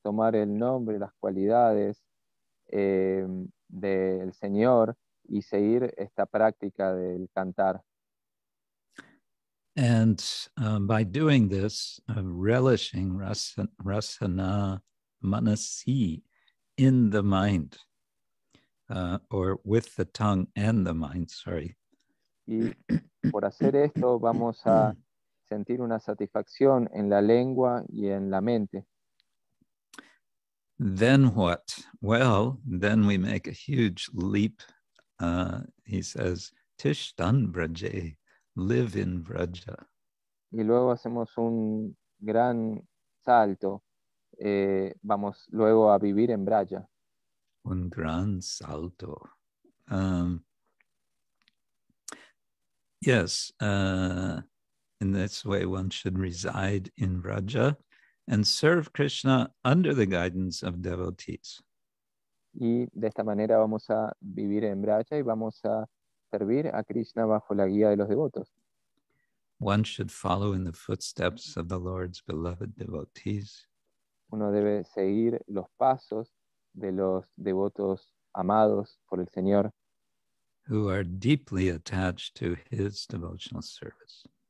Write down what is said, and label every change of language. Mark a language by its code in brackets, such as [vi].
[es] Tomar el nombre, las cualidades del Señor y seguir esta práctica del cantar. [en] And by doing this, relishing rasana manasi in the mind, or with the tongue and the mind, sorry. [es] Y por hacer esto vamos a sentir una satisfacción en la lengua y en la mente. [en] Then what? Well, then we make a huge leap. He says, tishtan braje. Live in Vraja. [es] Y luego hacemos un gran salto. Vamos luego a vivir en Vraja. Un gran salto. [en] In this way one should reside in Vraja and serve Krishna under the guidance of devotees. [es] Y de esta manera vamos a vivir en Vraja y vamos a servir a Krishna bajo la guía de los devotos. [en] One should follow in the footsteps of the Lord's beloved devotees. [es] Uno debe seguir los pasos de los devotos amados por el Señor. [en] Who are deeply attached to his devotional service.